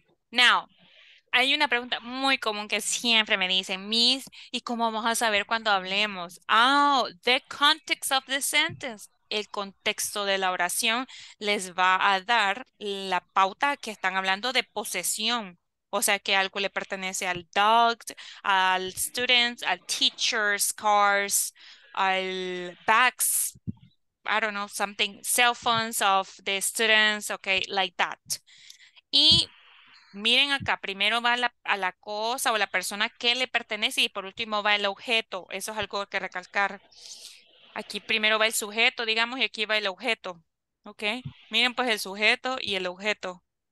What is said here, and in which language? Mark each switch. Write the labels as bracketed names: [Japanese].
[Spanish] Now, hay una pregunta muy común que siempre me dicen, Miss, ¿y cómo vamos a saber cuando hablemos? [English] The context of the sentence. [Spanish] El contexto de la oración les va a dar la pauta que están hablando de posesión. O sea, que algo le pertenece al [English] dog, al student, al teacher's cars, al bags, I don't know, something, cell phones of the students, okay, like that. [Spanish] Y miren acá, primero va a la cosa o la persona que le pertenece y por último va el objeto. Eso es algo que recalcar. Aquí primero va el sujeto, digamos, y aquí va el objeto, okay. Miren pues el sujeto y el objeto.